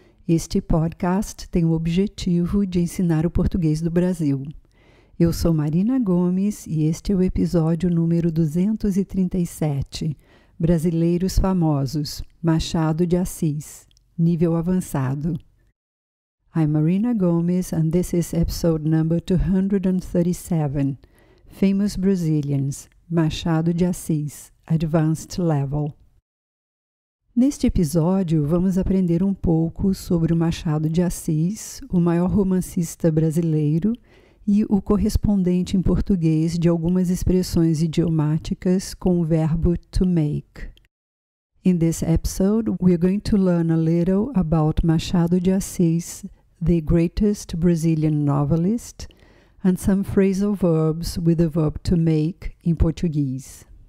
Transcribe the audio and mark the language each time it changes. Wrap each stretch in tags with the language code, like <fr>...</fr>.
<pt>Este podcast tem o objetivo de ensinar o português do Brasil. Eu sou Marina Gomes e este é o episódio número 237, Brasileiros Famosos, Machado de Assis, nível avançado.</pt> <en>I'm Marina Gomes and this is episode number 237, Famous Brazilians, Machado de Assis, Advanced Level.</en> <pt>Neste episódio, vamos aprender um pouco sobre o Machado de Assis, o maior romancista brasileiro e o correspondente em português de algumas expressões idiomáticas com o verbo to make.</pt> <en>In this episode, we are going to learn a little about Machado de Assis, the greatest Brazilian novelist, and some phrasal verbs with the verb to make in Portuguese.</en>